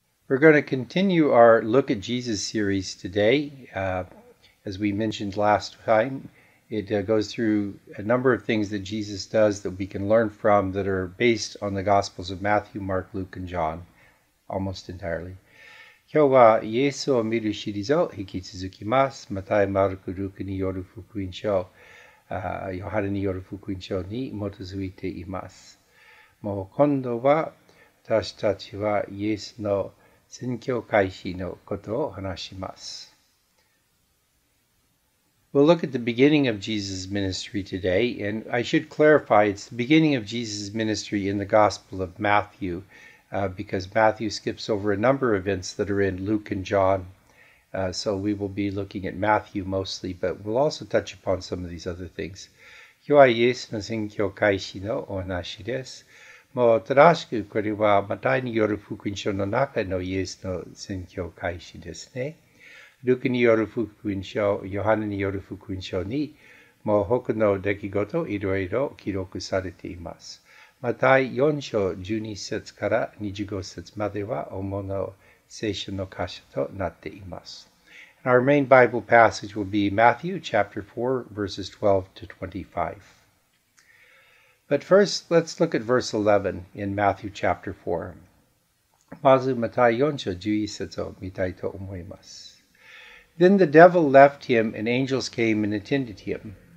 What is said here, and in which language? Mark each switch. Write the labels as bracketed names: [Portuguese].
[English] We're going to continue our Look at Jesus series today. As we mentioned last time, it goes through a number of things that Jesus does that we can learn from that are based on the Gospels of Matthew, Mark, Luke, and John, almost entirely. [Japanese] 今日はイエスを見る退き続きます。マタイ、マルコ、ルカによる福音書、ヨハネによる福音書に基づいています。もう今度は私たちはイエスの宣教開始のことを話します。 [English] We'll look at the beginning of Jesus' ministry today, and I should clarify, it's the beginning of Jesus' ministry in the Gospel of Matthew, because Matthew skips over a number of events that are in Luke and John, so we will be looking at Matthew mostly, but we'll also touch upon some of these other things. [Japanese] 今日はイエスの宣教開始のお話です。もう正しくこれはマタイによる福音書の中のイエスの宣教開始ですね。ルカによる福音書、ヨハネによる福音書に、もう他の出来事いろいろ記録されています。マタイ4章12節から25節までは主の箇所となっています。 [English] And our main Bible passage will be Matthew chapter 4 verses 12 to 25. But first, let's look at verse 11 in Matthew chapter 4. [Japanese] まずマタイ4章11節を見たいと思います。 [English] Then the devil left him, and angels came and attended him.